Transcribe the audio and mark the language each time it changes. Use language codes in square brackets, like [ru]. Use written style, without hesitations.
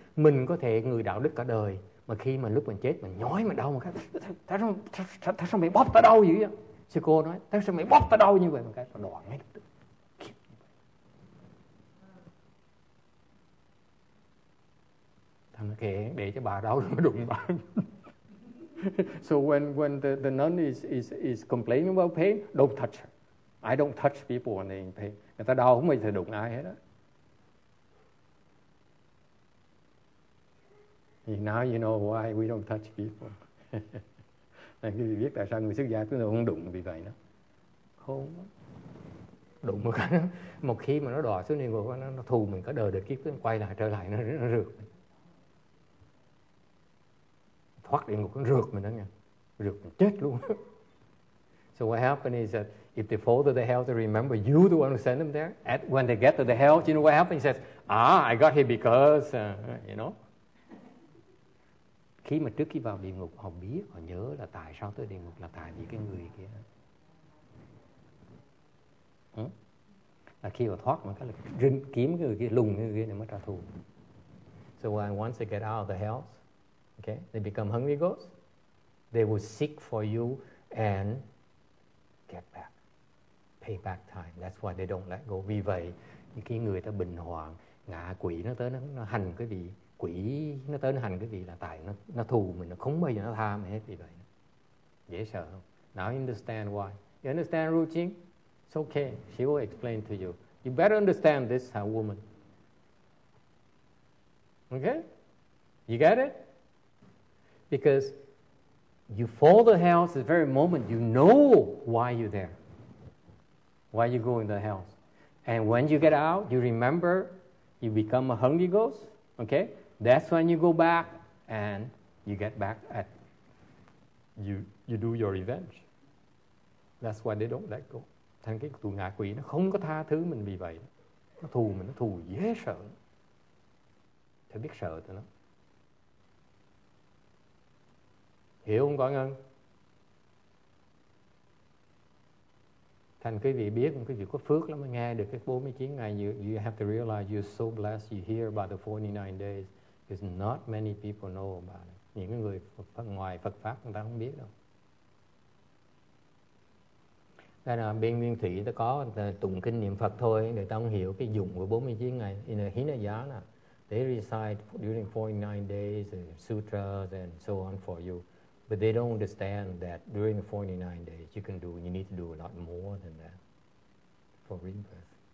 [vi] Mình có thể người đạo đức cả đời mà khi mà lúc mình chết mình nhói mà đau một cách. Tại sao mày bóp tao đau vậy? Sư cô nói. Tại sao mày bóp tao đau như vậy? Một cách. Nó đòi ngay lập tức. Thằng kệ để cho bà đau rồi mới đụng bà. [en] So when the nun is complaining about pain, don't touch her. I don't touch people when they in pain. [vi] Người ta đau không bao giờ đụng ai hết á. [en] Now you know why we don't touch people. [vi] Anh biết tại sao người xuất gia chúng tôi không đụng vì vậy đó. Không. Đụng một cái, một khi mà nó đọa xuống địa ngục nó thù mình cả đời được kiếp, nó quay lại trở lại nó rượt. Thoát địa ngục nó rượt mình đó nha. Rượt mình chết luôn. [en] So what happened is that if they fall to the hell, they remember you, the one who sent them there. And when they get to the hell, you know what happened? He says, I got here because, you know. [vi] Khi mà trước khi vào địa ngục, họ biết, họ nhớ là tại sao tới địa ngục là tại vì cái người kia. Là khi họ thoát, mình có thể kiếm cái người kia, lùng cái người kia để mới trả thù. [en] So once they get out of the hell, okay, they become hungry ghosts. They will seek for you and get back, pay back time. That's why they don't let go. [vi] Vì vậy, những cái người ta bình hoạn, ngạ quỷ nó tới nó hành cái gì, quỷ nó tới nó hành cái gì là tại nó thù mình, nó không bao giờ nó tha mình hết. Vì vậy, dễ sợ không? [en] Now you understand why? You understand Ru Qing? It's okay. She will explain to you. You better understand this, her woman. Okay? You get it? Because you fall to hell at the very moment you know why you're there, why you go in the hell. And when you get out, you remember, you become a hungry ghost, okay? That's when you go back and you get back at you do your revenge. That's why they don't let go. [vi] Thành cái tụi ngạ quỷ nó không có tha thứ mình vì vậy. Nó thù mình, nó thù dễ sợ. Thế biết sợ thôi nó. Hiểu không Quảng Ngân? Thành quý vị biết, quý vị có phước lắm, nghe được cái 49 ngày. [en] You have to realize you're so blessed you hear about the 49 days because not many people know about it. [vi] Những người ngoài Phật Pháp người ta không biết đâu. Đây là bên Nguyên Thủy ta có tụng kinh niệm Phật thôi, người ta không hiểu cái dụng của 49 ngày. [en] In a Hinayana, they recite during 49 days the sutras and so on for you. But they don't understand that during the 49 days, you need to do a lot more than that for rebirth.